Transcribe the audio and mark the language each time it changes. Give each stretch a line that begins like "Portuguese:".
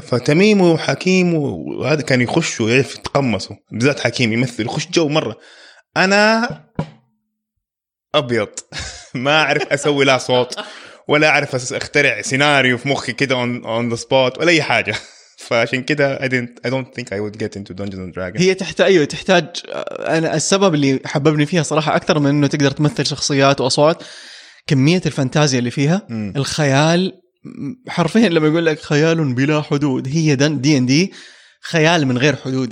Arabic: فتميم وحكيم وهذا كان يخشوا يعرف يتقمصوا، بالذات حكيم يمثل يخش جو مره، انا ابيض ما اعرف اسوي لا صوت ولا اعرف اخترع سيناريو في مخي كده
English: on the spot
Arabic: ولا اي حاجه. فعشان كده
English: I don't think I would get into Dungeons and Dragons.
Arabic: هي تحتاج انا السبب اللي حببني فيها صراحه اكثر من انه تقدر تمثل شخصيات واصوات، كميه الفانتازيا اللي فيها. الخيال حرفيا لما يقول لك خيال بلا حدود، هي دي ان دي خيال من غير حدود.